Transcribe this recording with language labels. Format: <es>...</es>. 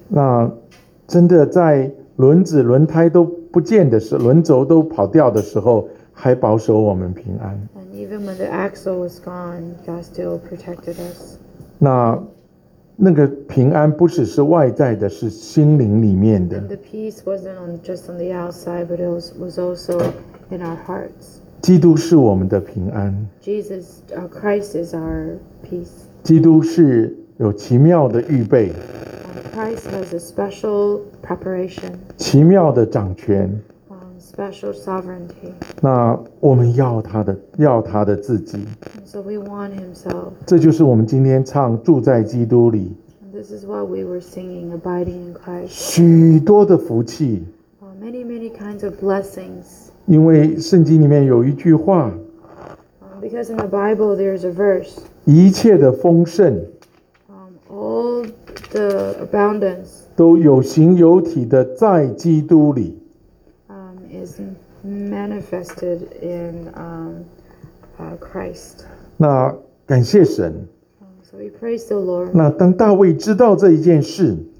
<zh>那真的在轮子轮胎都不见的时候，轮轴都跑掉的时候，还保守我们平安。</zh> <en>And even when the axle was gone, God still protected us.</en> <zh>那个平安不只是外在的，是心灵里面的。</zh> <en>And the peace wasn't just on the outside, but it was also in our hearts.</en> <zh>基督是我们的平安。</zh> <en>Jesus, Christ is our peace.</en> <zh>基督是有奇妙的预备。</zh> <en>Christ has a special preparation.</en> <zh>奇妙的掌权。</zh> <en>Special sovereignty.</en> <zh>那我们要他的，要他的自己。</zh> <en>So we want himself.</en> <zh>这就是我们今天唱住在基督里。</zh> <en>This is what we were singing, abiding in Christ.</en> <zh>许多的福气。</zh> <en>Many, many kinds of blessings.</en> <zh>因为圣经里面有一句话。</zh> <en>Because in the Bible there is a verse.</en> <zh>一切的丰盛。</zh> <en>All the abundance.</en> <zh>都有形有体的在基督里。</zh> <en>Is manifested in Christ.</en> <zh>那感谢神。</zh> <en>So we praise the Lord.</en> <zh>那当大卫知道这一件事，</zh>